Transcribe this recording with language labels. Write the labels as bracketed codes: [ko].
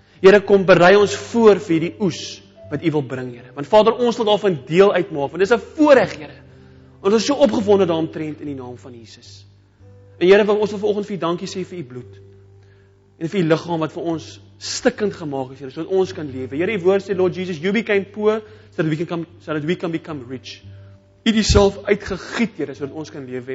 [af] Here, kom berei ons voor vir hierdie oes wat U wil bring, Here. Want Vader, ons wil daarvan deel uitmaak, want dis 'n voorreg, Here. Ons is so opgewonde daaromtrent in die naam van Jesus. En Here, ons wil vanoggend vir U dankie sê vir U bloed en vir U liggaam wat vir ons stikkend gemaak is, Here, sodat ons kan lewe. Here, U woord sê, [en] Lord Jesus, You became poor so that we can become rich. [af] U het Uself uitgegiet, Here, sodat ons kan lewe.